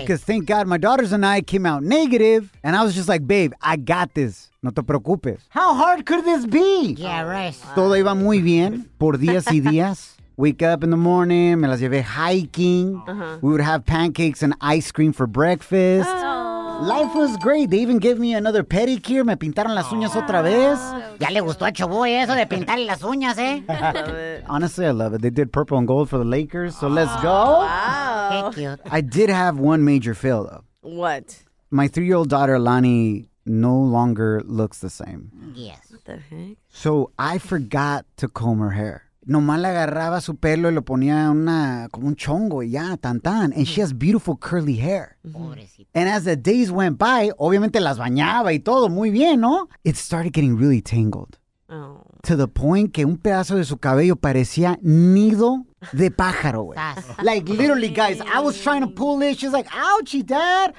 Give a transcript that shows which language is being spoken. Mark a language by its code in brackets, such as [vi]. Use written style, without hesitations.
[en] Because thank God my daughters and I came out negative. And I was just like, babe, I got this. [es] No te preocupes. [en] How hard could this be? Yeah, right. Wow. [es] Todo iba muy bien por días y días. [en] Wake up in the morning, [es] me las llevé [en] hiking. Uh-huh. We would have pancakes and ice cream for breakfast. Life was great. They even gave me another pedicure. [es] Me pintaron las uñas otra vez. Ya le gustó a Choboy eso de pintarle las uñas, eh? [en] Honestly, I love it. They did purple and gold for the Lakers, so let's go. Wow. Thank you. I did have one major fail, though. What? My 3-year-old daughter, Lani, no longer looks the same. Yes. What the heck? So I forgot to comb her hair. [es] Nomás le agarraba su pelo y lo ponía una como un chongo y ya, tan tan. [en] And mm-hmm. she has beautiful curly hair. [es] Pobrecita. [en] And as the days went by, [es] obviamente las bañaba y todo muy bien, ¿no? [en] It started getting really tangled. Oh. To the point [es] que un pedazo de su cabello parecía nido de pájaro, güey. [en] Like, literally, guys, I was trying to pull it. She's like, ouchie, dad.